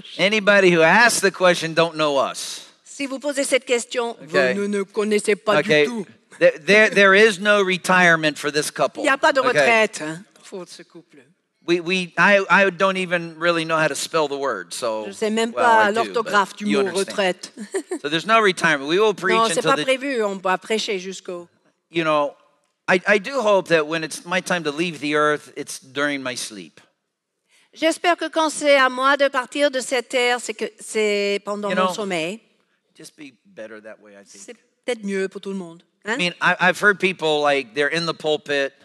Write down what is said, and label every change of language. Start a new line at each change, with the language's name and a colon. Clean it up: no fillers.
English: Anybody who asks the question don't know us.
French: Si vous posez cette question, okay. Vous ne connaissez pas
English: okay.
French: Du tout.
English: There is no retirement for this couple.
French: Il y a pas de retraite pour ce couple.
English: I don't even really know how to spell the word, so.
French: Je sais même pas l'orthographe du mot retraite.
English: So there's no retirement. We will preach
French: non,
English: until.
French: Non, c'est pas prévu. On va prêcher jusqu'au.
English: You know, I do hope that when it's my time to leave the earth, it's during my sleep.
French: J'espère que quand c'est à moi de partir de cette terre, c'est pendant
English: you know,
French: mon sommeil.
English: Just be better that way, I think.
French: C'est peut-être mieux pour tout le monde. Hein?
English: I mean, I've heard people like they're in the pulpit.